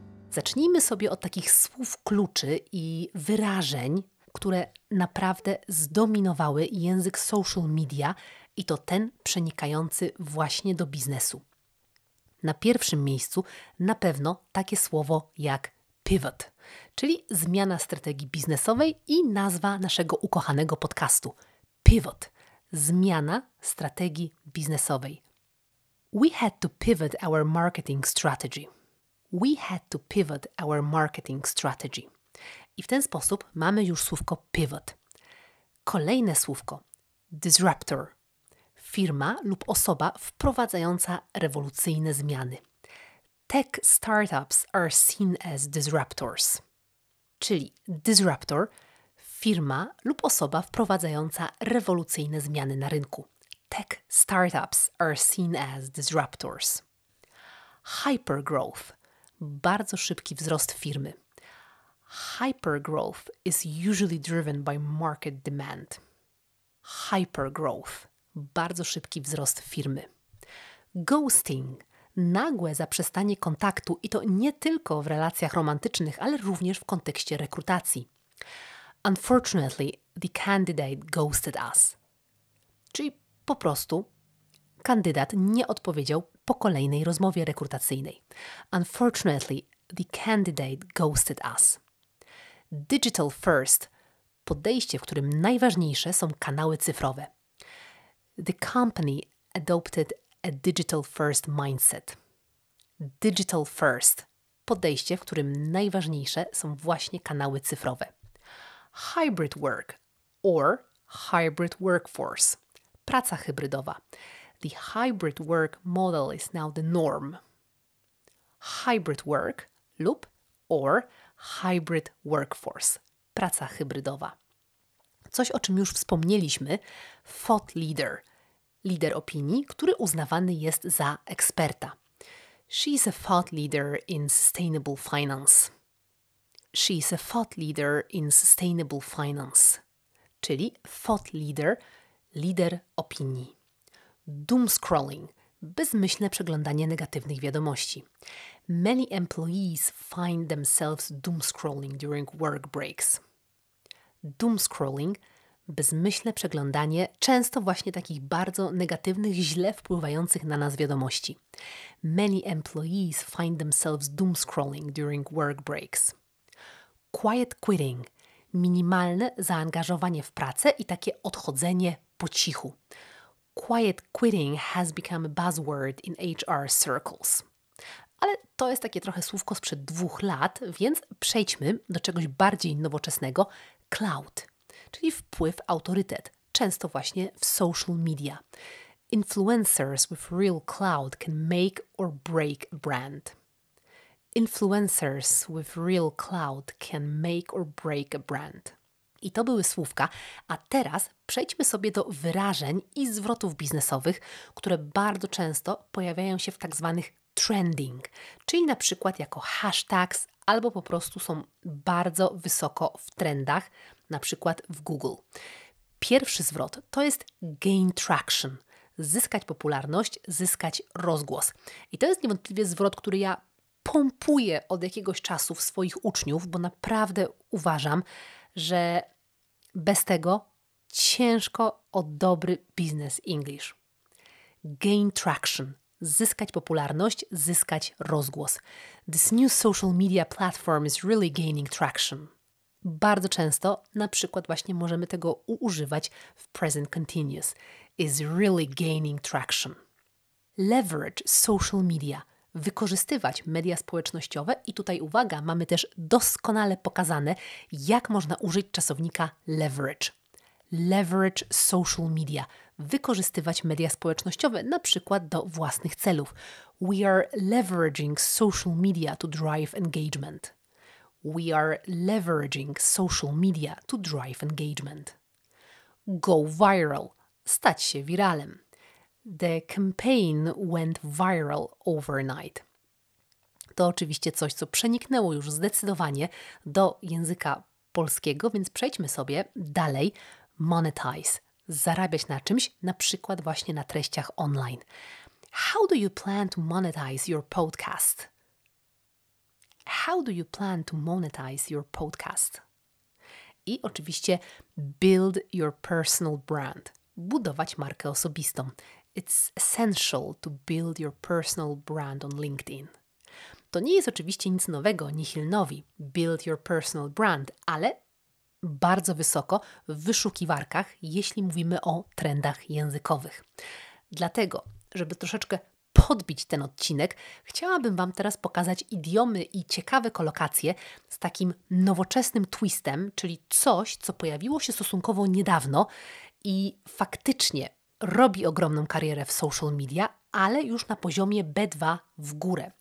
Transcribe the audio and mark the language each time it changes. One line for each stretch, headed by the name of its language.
Polish: Zacznijmy sobie od takich słów kluczy i wyrażeń, które naprawdę zdominowały język social media i to ten przenikający właśnie do biznesu. Na pierwszym miejscu na pewno takie słowo jak pivot, czyli zmiana strategii biznesowej i nazwa naszego ukochanego podcastu. Pivot, zmiana strategii biznesowej.
English: We had to pivot our marketing strategy. We had to pivot our marketing strategy.
Polish: I w ten sposób mamy już słówko pivot. Kolejne słówko, disruptor. Firma lub osoba wprowadzająca rewolucyjne zmiany.
English: Tech startups are seen as disruptors.
Polish: Czyli disruptor, firma lub osoba wprowadzająca rewolucyjne zmiany na rynku.
English: Tech startups are seen as disruptors.
Polish: Hypergrowth, bardzo szybki wzrost firmy.
English: Hypergrowth is usually driven by market demand. Hypergrowth.
Polish: Bardzo szybki wzrost firmy. Ghosting. Nagłe zaprzestanie kontaktu i to nie tylko w relacjach romantycznych, ale również w kontekście rekrutacji.
English: Unfortunately, the candidate ghosted us.
Polish: Czyli po prostu kandydat nie odpowiedział po kolejnej rozmowie rekrutacyjnej.
English: Unfortunately, the candidate ghosted us. Digital first.
Polish: Podejście, w którym najważniejsze są kanały cyfrowe.
English: The company adopted a digital-first mindset.
Polish: Digital-first. Podejście, w którym najważniejsze są właśnie kanały cyfrowe.
English: Hybrid work or hybrid workforce.
Polish: Praca hybrydowa.
English: The hybrid work model is now the norm. Hybrid work lub or hybrid workforce.
Polish: Praca hybrydowa. Coś, o czym już wspomnieliśmy. Thought leader. Lider opinii, który uznawany jest za eksperta.
English: She's a thought leader in sustainable finance. She's a thought leader in sustainable finance.
Polish: Czyli thought leader, lider opinii. Doom scrolling, bezmyślne przeglądanie negatywnych wiadomości.
English: Many employees find themselves doom scrolling during work breaks. Doom scrolling.
Polish: Bezmyślne przeglądanie często właśnie takich bardzo negatywnych, źle wpływających na nas wiadomości.
English: Many employees find themselves doom scrolling during work breaks. Quiet quitting.
Polish: Minimalne zaangażowanie w pracę i takie odchodzenie po cichu.
English: Quiet quitting has become a buzzword in HR circles.
Polish: Ale to jest takie trochę słówko sprzed 2 lat, więc przejdźmy do czegoś bardziej nowoczesnego. Cloud, czyli wpływ, autorytet, często właśnie w social media.
English: Influencers with real cloud can make or break a brand. Influencers with real cloud can make or break a brand.
Polish: I to były słówka, a teraz przejdźmy sobie do wyrażeń i zwrotów biznesowych, które bardzo często pojawiają się w tak zwanych trending, czyli na przykład jako hashtags albo po prostu są bardzo wysoko w trendach, na przykład w Google. Pierwszy zwrot to jest gain traction, zyskać popularność, zyskać rozgłos. I to jest niewątpliwie zwrot, który ja pompuję od jakiegoś czasu w swoich uczniów, bo naprawdę uważam, że bez tego ciężko o dobry business English. Gain traction. Zyskać popularność, zyskać rozgłos.
English: This new social media platform is really gaining traction.
Polish: Bardzo często, na przykład właśnie możemy tego używać w present continuous.
English: Is really gaining traction. Leverage social media.
Polish: Wykorzystywać media społecznościowe i tutaj uwaga, mamy też doskonale pokazane, jak można użyć czasownika leverage. Leverage social media. Wykorzystywać media społecznościowe, na przykład do własnych celów.
English: We are leveraging social media to drive engagement. We are leveraging social media to drive engagement. Go viral.
Polish: Stać się wiralem.
English: The campaign went viral overnight.
Polish: To oczywiście coś, co przeniknęło już zdecydowanie do języka polskiego, więc przejdźmy sobie dalej. Monetize. Zarabiać na czymś, na przykład właśnie na treściach online.
English: How do you plan to monetize your podcast? How do you plan to monetize your podcast?
Polish: I oczywiście
English: build your personal brand.
Polish: Budować markę osobistą.
English: It's essential to build your personal brand on LinkedIn.
Polish: To nie jest oczywiście nic nowego, nihil novi,
English: build your personal brand,
Polish: ale bardzo wysoko w wyszukiwarkach, jeśli mówimy o trendach językowych. Dlatego, żeby troszeczkę podbić ten odcinek, chciałabym Wam teraz pokazać idiomy i ciekawe kolokacje z takim nowoczesnym twistem, czyli coś, co pojawiło się stosunkowo niedawno i faktycznie robi ogromną karierę w social media, ale już na poziomie B2 w górę.